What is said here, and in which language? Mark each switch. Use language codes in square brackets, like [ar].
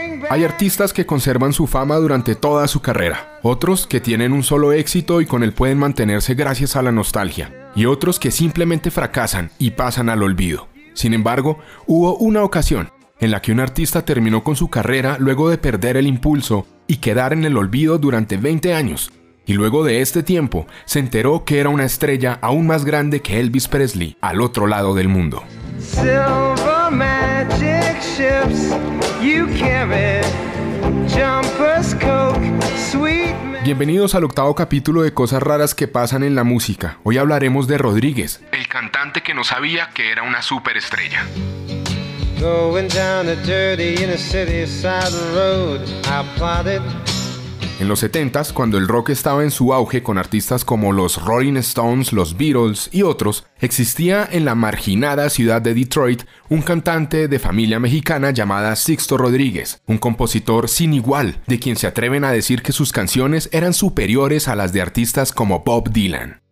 [es] Hay artistas que conservan su fama durante toda su carrera, otros que tienen un solo éxito y con él pueden mantenerse gracias a la nostalgia, y otros que simplemente fracasan y pasan al olvido. Sin embargo, hubo una ocasión en la que un artista terminó con su carrera luego de perder el impulso y quedar en el olvido durante 20 años, y luego de este tiempo se enteró que era una estrella aún más grande que Elvis Presley al otro lado del mundo. [en] Silver magic ships you carry, jumpers, coke, sweet. [es] Bienvenidos al octavo capítulo de Cosas Raras que Pasan en la Música. Hoy hablaremos de Rodríguez, el cantante que no sabía que era una superestrella. [en] Going down a dirty inner city side road, I plotted. [es] En los 70s, cuando el rock estaba en su auge con artistas como los Rolling Stones, los Beatles y otros, existía en la marginada ciudad de Detroit un cantante de familia mexicana llamada Sixto Rodríguez, un compositor sin igual, de quien se atreven a decir que sus canciones eran superiores a las de artistas como Bob Dylan.